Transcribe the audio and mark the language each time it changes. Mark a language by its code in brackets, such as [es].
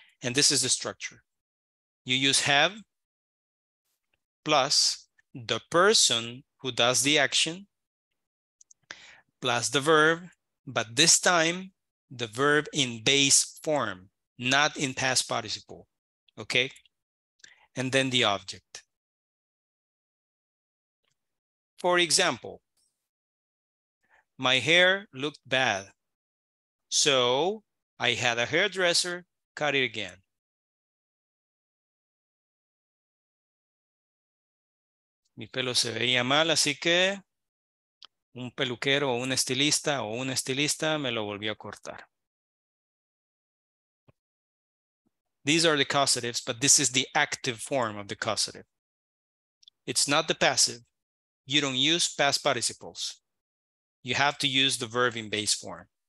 [en] And this is the structure. You use have plus the person who does the action plus the verb, but this time the verb in base form, not in past participle. Okay? And then the object. For example, my hair looked bad, so I had a hairdresser cut it again. [es] Mi pelo se veía mal, así que un peluquero o un estilista me lo volvió a cortar. [en] These are the causatives, but this is the active form of the causative. It's not the passive. You don't use past participles. You have to use the verb in base form.